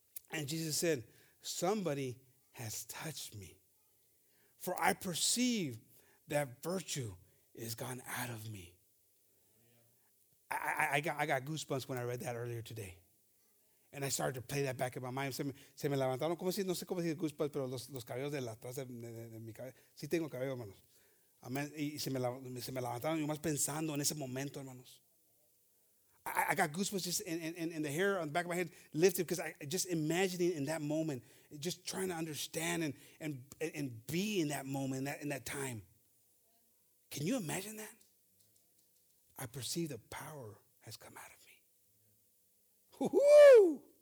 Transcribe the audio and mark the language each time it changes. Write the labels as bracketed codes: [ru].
[en] And Jesus said, "Somebody has touched me. For I perceive that virtue is gone out of me." I got goosebumps when I read that earlier today. And I started to play that back in my mind. [es] Se me levantaron, como si, no sé cómo decir goosebumps, pero los cabellos de atrás de mi cabeza. Sí tengo cabello, hermanos. Amen. Y se me levantaron, yo más pensando en ese momento, hermanos. [en] I got goosebumps just in the hair on the back of my head lifted, because I just imagining in that moment, just trying to understand and be in that moment, in that time. Can you imagine that? I perceive the power has come out of me. Woo-hoo!